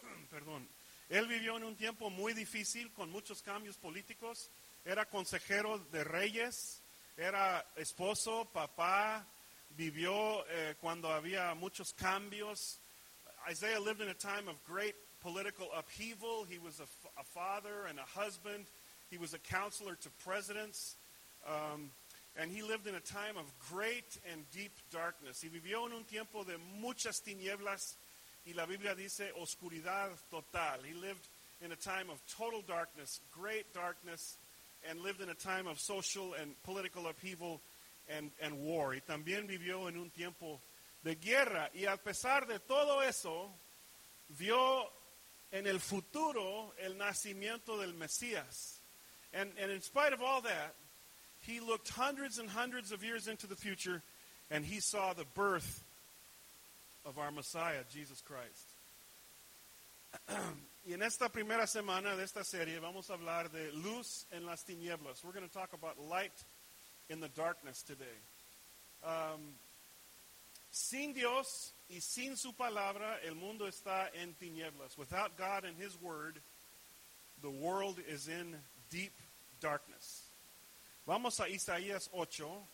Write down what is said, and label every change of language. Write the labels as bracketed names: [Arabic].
[Spanish] Perdón. Él vivió en un tiempo muy difícil con muchos cambios políticos. Era consejero de reyes. Era esposo, papá. Vivió cuando había muchos cambios. [English] Isaiah lived in a time of great political upheaval. He was a father and a husband. He was a counselor to presidents. And he lived in a time of great and deep darkness. [Spanish] Y vivió en un tiempo de muchas tinieblas. Y la Biblia dice oscuridad total. [English] He lived in a time of total darkness, great darkness, and lived in a time of social and political upheaval and war. [Spanish] Y también vivió en un tiempo de guerra. Y a pesar de todo eso, vio en el futuro el nacimiento del Mesías. [English] And in spite of all that, he looked hundreds and hundreds of years into the future, and he saw the birth of our Messiah, Jesus Christ. [Spanish] Y en esta primera semana de esta serie, vamos a hablar de luz en las tinieblas. [English] We're going to talk about light in the darkness today. [Spanish] Sin Dios y sin su palabra, el mundo está en tinieblas. [English] Without God and his word, the world is in deep darkness. [Spanish] Vamos a Isaías 8.